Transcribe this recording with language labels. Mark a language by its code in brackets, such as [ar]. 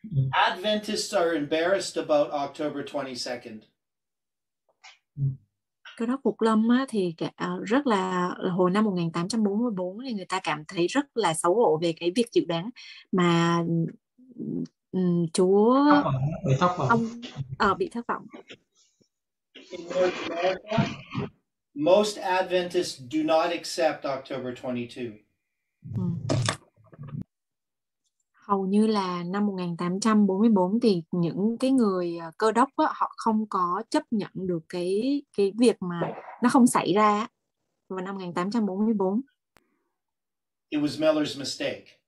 [en] Adventists are embarrassed about October 22nd. [vi] Cơ đốc phục lâm á thì rất là hồi năm 1844 thì người ta cảm thấy rất là xấu hổ về cái việc dự đoán mà Chúa thất vọng. Bị thất vọng. [en] in North America, most Adventists do not accept October 22. [vi] Hầu như là năm 1844 thì những cái người Cơ đốc đó, họ không có chấp nhận được cái việc mà nó không xảy ra vào năm 1844. [en] It was Miller's mistake.